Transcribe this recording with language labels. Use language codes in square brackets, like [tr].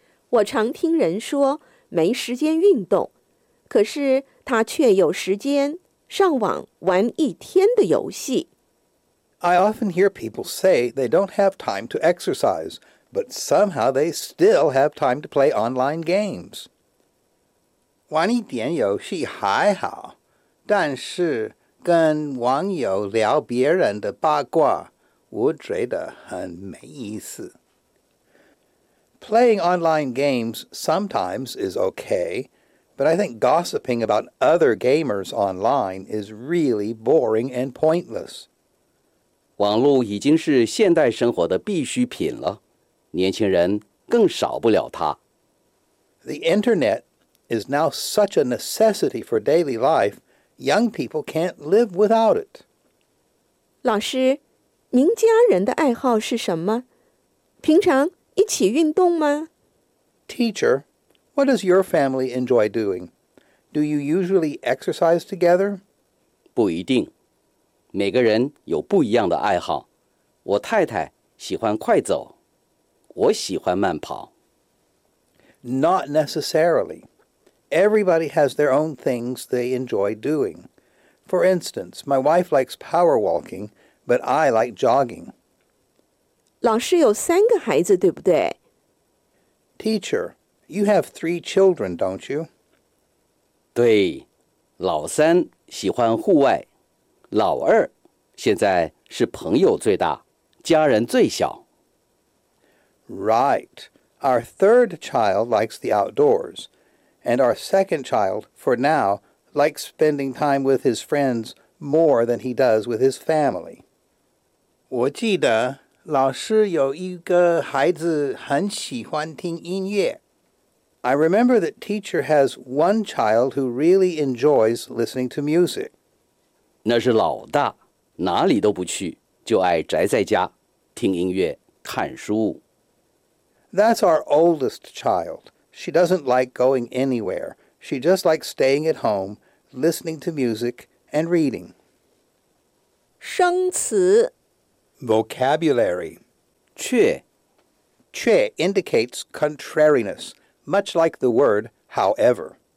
[zh] 我常听人说没时间运动，可是他却有时间上网玩一天的游戏。 [en] I often hear people say they don't have time to exercise, but somehow they still have time to play online games. [zh] 玩一点游戏还好，但是跟网友聊别人的八卦，我觉得很没意思。 [en] Playing online games sometimes is okay, but I think gossiping about other gamers online is really boring and pointless. [zh] 网络已经是现代生活的必需品了，年轻人更少不了它。 [en] The internet is now such a necessity for daily life, young people can't live without it. [zh] 老师，您家人的爱好是什么？平常一起运动吗? [en] Teacher, what does your family enjoy doing? Do you usually exercise together? [zh] 不一定。每个人有不一样的爱好。我太太喜欢快走。我喜欢慢跑。 [en] Not necessarily. Everybody has their own things they enjoy doing. For instance, my wife likes power walking, but I like jogging. [zh] 老师有三个孩子，对不对? [en] Teacher, you have three children, don't you? [zh] 对,老三喜欢户外,老二现在是朋友最大,家人最小。 [en] Right, our third child likes the outdoors, and our second child, for now, likes spending time with his friends more than he does with his family. [zh] 我记得老师有一个孩子很喜欢听音乐。 [en] I remember that teacher has one child who really enjoys listening to music. [zh] 那是老大，哪里都不去，就爱宅在家，听音乐，看书。 [en] That's our oldest child. She doesn't like going anywhere. She just likes staying at home, listening to music, and reading. [zh] 生词 [en] Vocabulary. [zh] 却 [en] 却 indicates contrariness, much like the word however.